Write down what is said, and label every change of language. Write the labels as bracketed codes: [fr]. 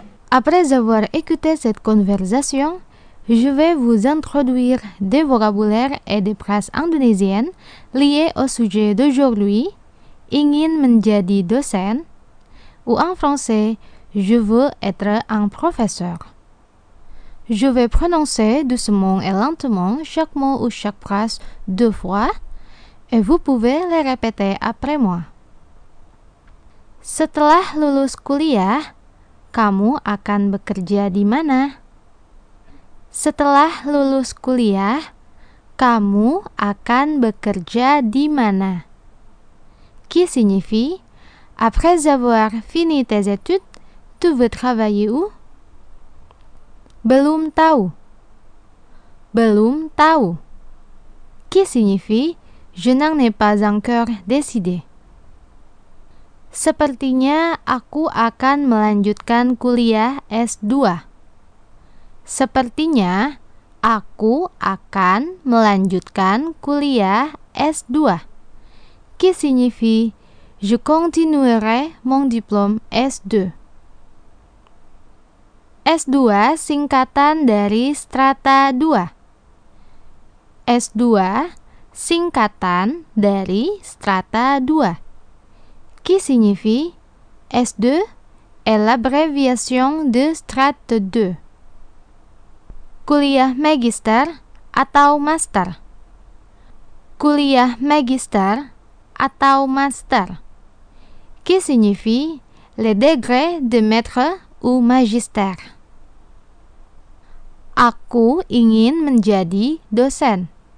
[fr] Après avoir écouté cette conversation, je vais vous introduire des vocabulaires et des phrases indonésiennes liées au sujet d'aujourd'hui, [id] ingin menjadi dosen, [fr] ou en français, je veux être un professeur. Je vais prononcer doucement et lentement chaque mot ou chaque phrase deux fois, et vous pouvez les répéter après moi. [id] Setelah lulus kuliah, kamu akan bekerja di mana? Setelah lulus kuliah, kamu akan bekerja di mana? [fr] Qui signifie, après avoir fini tes études, tu veux travailler où? [id] Belum tahu. Belum tahu. [fr] Qui signifie, je n'en ai pas encore décidé. [id] Sepertinya aku akan melanjutkan kuliah S2. Sepertinya aku akan melanjutkan kuliah S2. [fr] Qui signifie je continuerai mon diplôme S2. [id] S2 singkatan dari strata 2. S2 singkatan dari strata 2. [fr] Qui signifie S2 est l'abréviation de strate 2. [id] Kuliah magister atau master. Kuliah magister atau master. [fr] Qui signifie le degré de maître ou magister. [id] Aku ingin menjadi dosen.